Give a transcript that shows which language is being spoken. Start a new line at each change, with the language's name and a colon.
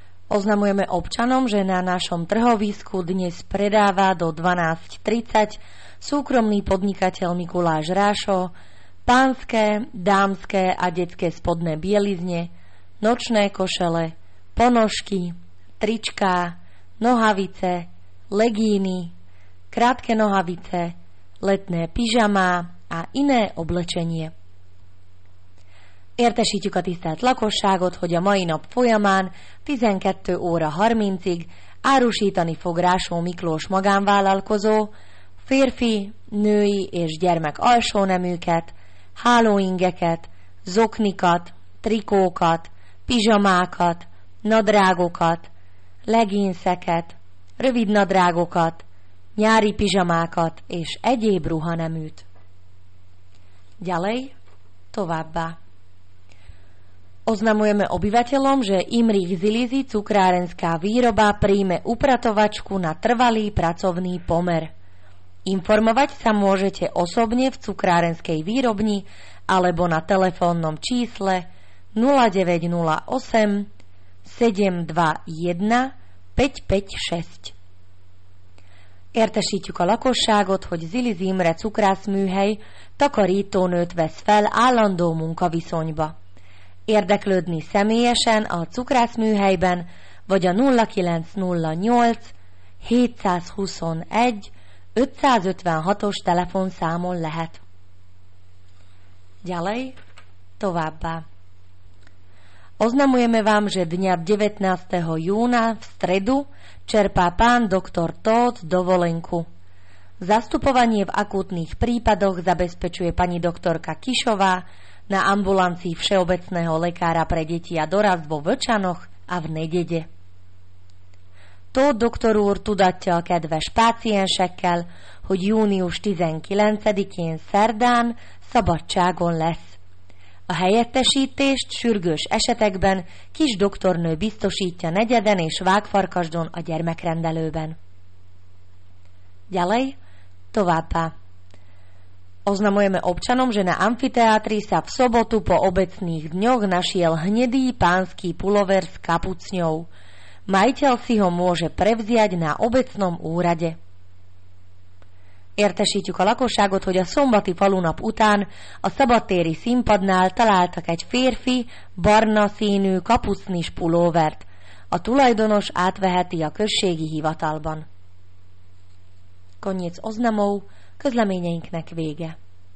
Slovak: Oznamujeme občanom, že na našom trhovisku dnes predáva do 12.30 súkromný podnikateľ Mikuláš Rášo pánske, dámske a detské spodné bielizne, nočné košele, ponožky, trička, nohavice, legíny, krátke nohavice, letné pyžama a iné oblečenie.
Hungarian: Értesi a tisztelt lakosságot, hogy a mai nap folyamán 12 óra 30-ig árusítani fog Rásó Miklós magánvállalkozó, férfi, női és gyermek alsóneműket, hálóingeket, zoknikat, trikókat, pizsamákat, nadrágokat, leginszeket, rövid nadrágokat, nyári pizsamákat és egyéb ruhaneműt.
Slovak: Gyalej,
Hungarian: továbbá.
Slovak: Oznamujeme obyvateľom, že Imrich Zilizi cukrárenská výroba príjme upratovačku na trvalý pracovný pomer. Informovať sa môžete osobne v cukrárenskej výrobni alebo na telefónnom čísle 0908 721 556.
Hungarian: Értesítjük a lakosságot, hogy Zilizi Imre cukrászműhely takarítónőt vesz fel állandó munkaviszonyba. Érdeklődni személyesen a cukrászműhelyben, vagy a 0908 721 556-os telefonszámon lehet.
Slovak: Ďalej,
Hungarian: továbbá.
Slovak: Oznamujeme vám, že dňa 19. júna v stredu čerpá pán doktor Tóth dovolenku. Zastupovanie v akútnych prípadoch zabezpečuje pani doktorka Kišová na ambulancii všeobecného lekára pre deti a dorast vo Vlčanoch a v Nedede.
Hungarian: To doktor úr tudatel kedves páciensekkel, hogy június 19-én szerdán szabadságon lesz. A helyettesítést sürgős esetekben kis doktornő biztosítja Negyeden és Vágfarkasdon a gyermekrendelőben.
Slovak: Gyalej,
Hungarian: továbbá.
Slovak: Oznamujeme občanom, že na amfiteátri sa v sobotu po obecných dňoch našiel hnedý pánsky pulover s kapucňou. Majiteľ si ho môže prevziať na obecnom úrade.
Hungarian: Értesítjük a lakosságot, hogy a szombati falunap után a szabadtéri színpadnál találtak egy férfi barna színű kapucnis pulóvert. A tulajdonos átveheti a községi hivatalban.
Slovak: Koniec oznamov.
Hungarian: Közleményeinknek vége.